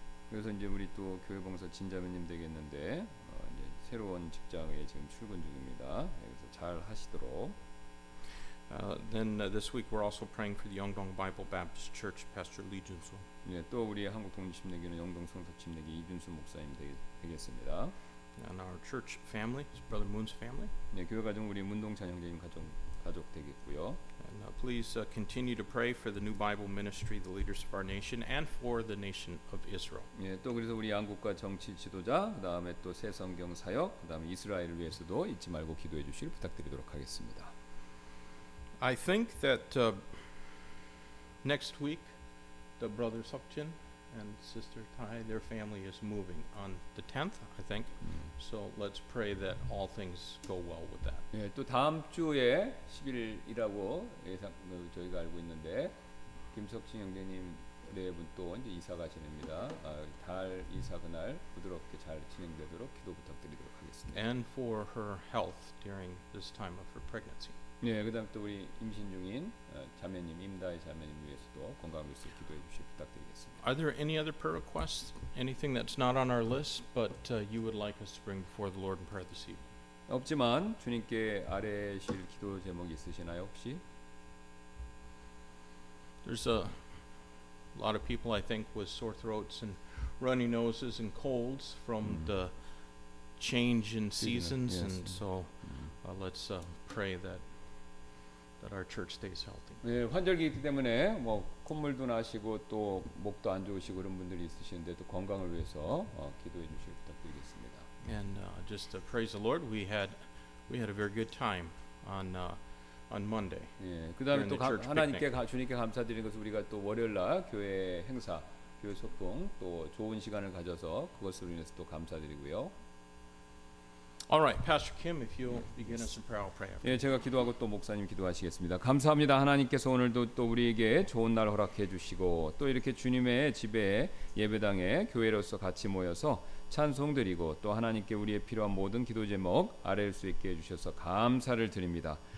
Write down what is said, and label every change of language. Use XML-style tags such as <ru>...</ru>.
<ko>그래서 이제 우리 또 교회 봉사 진자매님 되겠는데. 새로운 직장에 지금 출근 중입니다. 그래서 잘 하시도록.</ko> <en>This week we're also praying for the Yeongdong Bible Baptist Church, Pastor Lee Junsu.</en> <ko>네, 또 우리 한국 독립침례교회 영동 성서 침례교회 이준수 목사님 되겠습니다.</ko> <en>And our church family, Brother Moon's family.</en> <ko>네, 교회 가정 우리 문동찬 형제님 가족 되겠고요.</ko> <en>And please continue to pray for the new Bible ministry, the leaders of our nation, and for the nation of Israel.</en> <ko>네, 또 그래서 우리 양국과 정치 지도자, 그다음에 또 새 성경 사역, 그다음에 이스라엘을 위해서도 잊지 말고 기도해 주실 부탁드리도록 하겠습니다.</ko> <en>I think that next week the brother Seokjin and sister Tai, their family is moving on the 10th, I think. So let's pray that all things go well with that.</en> <ko>예, 또 다음 주에 11일이라고 예상 저희가 알고 있는데 김석진 형제님 내분 또 이제 이사 가시는입니다. 달 이사 그날 부드럽게 잘 진행되도록 기도 부탁드리도록 하겠습니다.</ko> <en>And for her health during this time of her pregnancy.</en> <ko>네, 그다음 또 우리 임신 중인 자매님, 임다의 자매님 위해서도 건강을 위해서 기도해 주시기 부탁드리겠습니다.</ko> <en>Are there any other prayer requests? Anything that's not on our list, but you would like us to bring before the Lord in prayer this evening?</en> <ko>없지만 주님께 아뢰실 기도 제목이 있으시나요, 혹시?</ko> <en>There's a lot of people, I think, with sore throats and runny noses and colds from the change in seasons, yes. And so let's pray that. That our church stays healthy.</en> <ko>네, 환절기 때문에 뭐 콧물도 나시고 또 목도 안 좋으시고 그런 분들이 있으신데 또 건강을 위해서 기도해 주시기 부탁드리겠습니다.</ko> <en>And just to praise the Lord, we had a very good time on Monday.</en> <ko>예, 네, 그다음에 또 하나님께 주님께 감사드리는 것은 우리가 또 월요일 날 교회 행사, 교회 소풍 또 좋은 시간을 가져서 그것으로 인해서 또 감사드리고요.</ko> <en>All right, Pastor Kim, if you'll begin us in prayer, I'll pray.</en> <ko>예, 제가 기도하고 또 목사님 기도하시겠습니다. 감사합니다. 하나님께서 오늘도 또 우리에게 좋은 날 허락해 주시고 또 이렇게 주님의 집에 예배당에 교회로서 같이 모여서 찬송 드리고 또 하나님께 우리의 필요한 모든 기도 제목 아뢰일 수 있게 해 주셔서 감사를 드립니다.</ko>